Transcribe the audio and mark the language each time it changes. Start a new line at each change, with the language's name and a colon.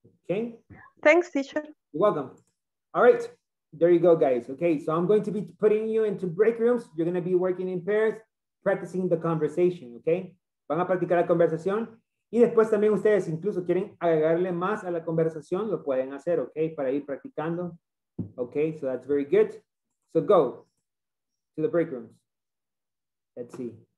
English: Okay. Thanks, teacher. You're welcome. All right. There you go, guys. Okay. So I'm going to be putting you into break rooms. You're going to be working in pairs, practicing the conversation.
Spanish: Okay. Van a practicar la conversación. Y después también ustedes incluso quieren agregarle más a la conversación, lo pueden hacer, ok, para ir practicando.
English: Ok, so that's very good. So go to the break rooms. Let's see.